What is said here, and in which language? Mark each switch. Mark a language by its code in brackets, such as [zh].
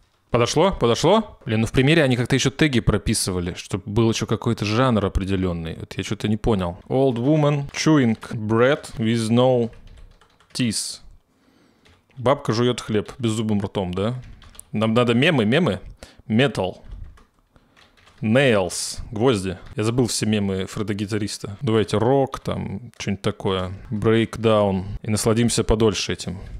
[ru] Подошло? Подошло? Блин, ну в примере они как-то еще теги прописывали, чтобы был еще какой-то жанр определенный. Вот я что-то не понял. [en] Old woman chewing bread with no teeth. [ru] Бабка жует хлеб беззубым ртом, да? Нам надо мемы, мемы? [en] Metal. Nails. [ru] Гвозди. Я забыл все мемы Фреда-гитариста. Давайте рок, там, что-нибудь такое. [en] Breakdown. [ru] И насладимся подольше этим.